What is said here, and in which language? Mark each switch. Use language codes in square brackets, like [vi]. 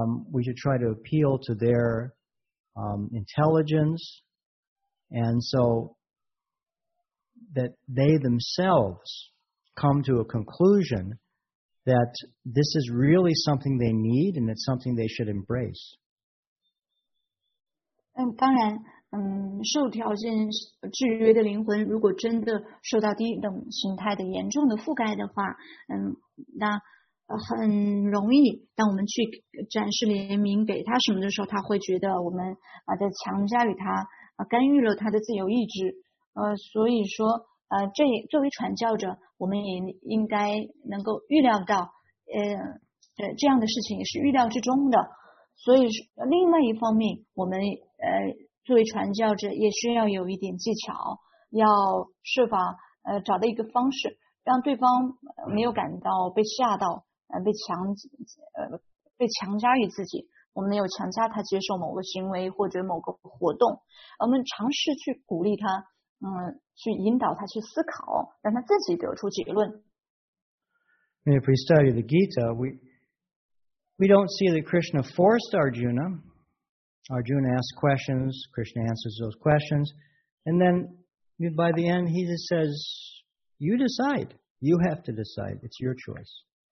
[en] We should try to appeal to their intelligence, and so that they themselves come to a conclusion that this is really something they need and it's something they should embrace. [zh] 当然，受条件制约的灵魂如果真的受到低等形态的严重的覆盖的话，那很容易，当我们去展示怜悯给他什么的时候，他会觉得我们在强加于他，干预了他的自由意志。所以说，这作为传教者，我们也应该能够预料到，这样的事情也是预料之中的。所以另外一方面，我们作为传教者也需要有一点技巧，要设法找到一个方式，让对方没有感到被吓到，被强加于自己。我们没有强加他接受某个行为或者某个活动，我们尝试去鼓励他，去引导他去思考，让他自己得出结论。 [en] If we study the Gita, we don't see that Krishna forced Arjuna. Arjuna asks questions, Krishna answers those questions, and then by the end he just says, you decide, you have to decide, it's your choice.